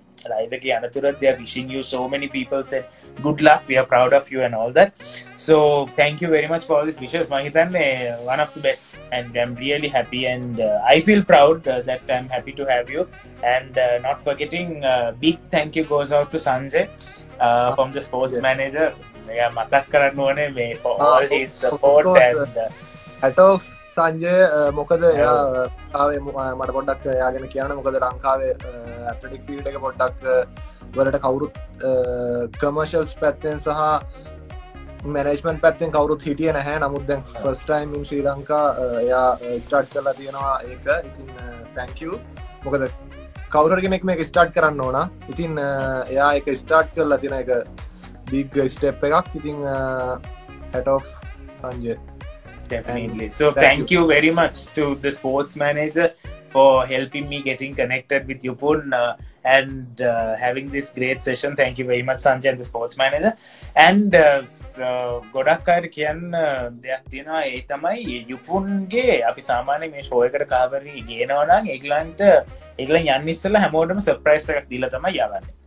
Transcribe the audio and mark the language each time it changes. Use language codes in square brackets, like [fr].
[si] රයිඩර්ගේ අනතුරත් [en] they are wishing you so many people said good luck we are proud of you and all that so thank you very much for all these wishes [si] මම හිතන්නේ [en] one of the best and I'm really happy and I feel proud that I'm happy to have you and not forgetting big thank you goes out to Sanjay from the sports manager [si] මගේ මතක් කරන්න ඕනේ මේ [en] for all his support and [si] atoks Sanjaya මොකද එයා ආවේ මට පොඩ්ඩක් එයාගෙන කියන්න මොකද ලංකාවේ ඇත්ලටික් ෆීල්ඩ් එක පොඩ්ඩක් වලට කවුරුත් කමර්ෂල්ස් පැත්තෙන් සහ මැනේජ්මන්ට් පැත්තෙන් කවුරුත් හිටියේ නැහැ නමුත් දැන් ෆස්ට් ටයිම් ඉන් ශ්‍රී ලංකා එයා ස්ටාර්ට් කරලා තියෙනවා ඒක ඉතින් [en] thank you [si] මොකද කවුරු හරි කෙනෙක් මේක ස්ටාර්ට් කරන්න ඕන ඉතින් එයා ඒක ස්ටාර්ට් කරලා තියෙන එක [en] big step [si] එකක් ඉතින් [en] hat off [si] Sanjaya [en] Definitely. And so thank you. You very much to the sports manager for helping me getting connected with Yupun and having this great session. Thank you very much, Sanjay, and the sports manager. And so [si] ගොඩක් අය කියන්න දෙයක් තියෙනවා ඒ තමයි යුපුන්ගේ අපි සාමාන්‍යයෙන් මේ show එකට කවරි ගේනවා නම් ඒගොල්ලන් යන්න ඉස්සෙල්ලා හැමෝටම සර්ප්‍රයිස් එකක් දීලා තමයි යවන්නේ.